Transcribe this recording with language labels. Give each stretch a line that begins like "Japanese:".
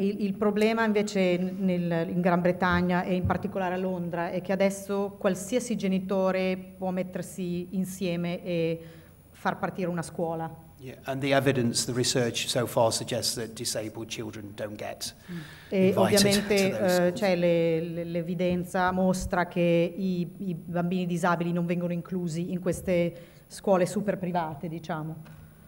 Italian: Il problema invece in Gran Bretagna e in particolare a Londra è che adesso qualsiasi genitore può mettersi insieme e far partire una scuola.
English: Yeah, and the evidence, the research so far suggests that disabled children don't get
Italian: E ovviamente c'è l'evidenza mostra che i bambini disabili non vengono inclusi in queste scuole super private, diciamo.